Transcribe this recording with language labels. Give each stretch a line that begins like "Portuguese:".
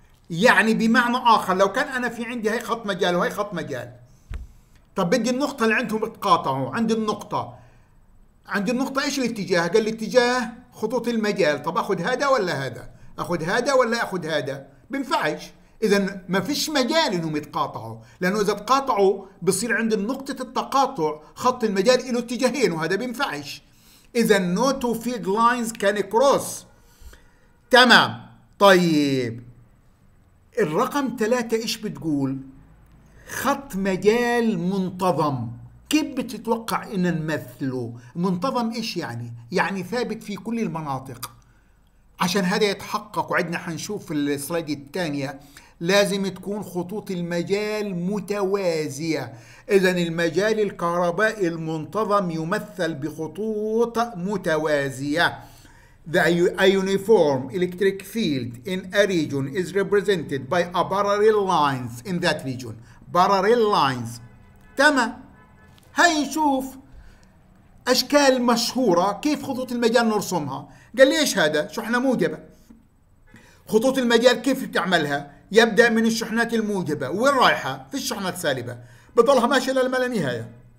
Arabic: يعني بمعنى آخر، لو كان أنا في عندي هاي خط مجال وهاي خط مجال، طب بدي النقطة اللي عندهم تقاطعوا، عند النقطة إيش الاتجاه؟ قال الاتجاه خطوط المجال. طب أخذ هذا ولا هذا؟ أخذ هذا ولا هذا؟ بينفعش. إذا ما فيش مجال إنهم يتقاطعوا، لأنه إذا تقاطعوا بصير عند نقطة التقاطع خط المجال له اتجاهين، وهذا بينفعش.
English: إذا no two field lines can cross.
Arabic: تمام. طيب الرقم ثلاثة إيش بتقول؟ خط مجال منتظم. كيف بتتوقع إن نمثله؟ منتظم إيش يعني؟ يعني ثابت في كل المناطق. عشان هذا يتحقق، وعدنا حنشوف السلايد الثانية، لازم تكون خطوط المجال متوازية. إذا المجال الكهربائي المنتظم يمثل بخطوط متوازية.
English: The uniform electric field in a region is represented by a parallel lines in that region. Parallel lines.
Arabic: تمام. هاي نشوف أشكال مشهورة كيف خطوط المجال نرسمها. قال ليش هذا؟ شحنة موجبة. خطوط المجال كيف بتعملها؟ يبدأ من الشحنات الموجبة، وين رايحة؟ في الشحنات السالبة، بضلها ماشية للما لا نهاية.